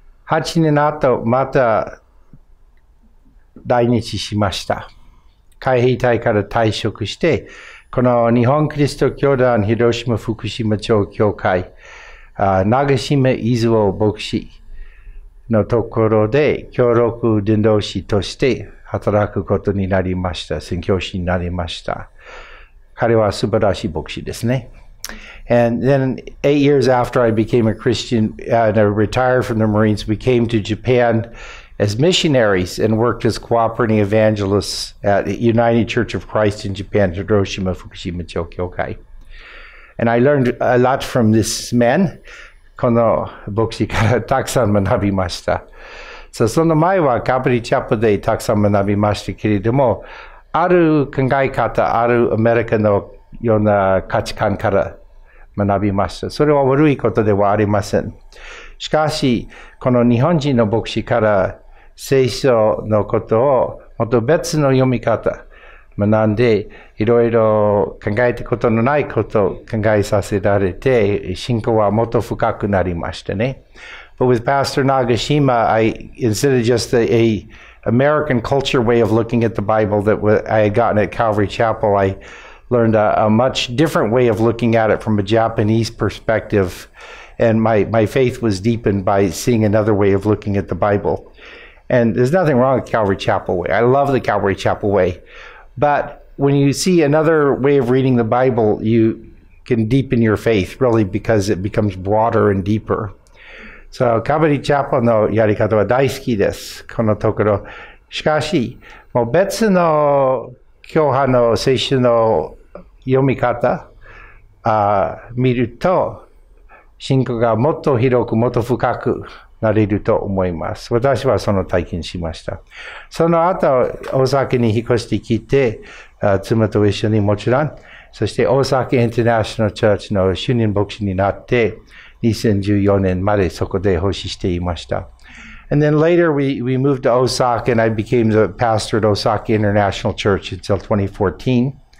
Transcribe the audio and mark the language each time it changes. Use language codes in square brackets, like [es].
[ja] 8年後、また来日しました。海兵隊から退職して、この日本キリスト教団広島福島町教会、長島伊豆尾牧師のところで協力伝道師として働くことになりました。宣教師になりました。彼は素晴らしい牧師ですね。 [en] And then 8 years after I became a Christian and I retired from the Marines, we came to Japan as missionaries and worked as cooperating evangelists at United Church of Christ in Japan, Hiroshima Fukushima Chokyokai. And I learned a lot from this man. [ja] この牧師からたくさん学びました。So, その前はカプリチャップでたくさん学びましたけれども、ある考え方、あるアメリカのような価値観から学びました。それは悪いことではありません。しかし、この日本人の牧師から聖書のことをもっと別の読み方学んで、いろいろ考えたことのないことを考えさせられて、信仰はもっと深くなりましたね。 [en] But with Pastor Nagashima, instead of just a American culture way of looking at the Bible that I had gotten at Calvary Chapel, I learned a much different way of looking at it from a Japanese perspective. And my faith was deepened by seeing another way of looking at the Bible. And there's nothing wrong with Calvary Chapel way. I love the Calvary Chapel way. But when you see another way of reading the Bible, you can deepen your faith, really, because it becomes broader and deeper. [ja] So, Calvary Chapel のやり方は大好きです、このところ。しかし、もう別の教派の聖書の読み方、見ると、信仰がもっと広く、もっと深く、なれると思います。私はその体験しました。その後、大阪に引っ越してきて、妻と一緒にもちろん、そして大阪インターナショナルチャーチの主任牧師になって、2014年までそこで奉仕していました。 [en] And then later we moved to Osaka and I became the pastor at Osaka International Church until 2014.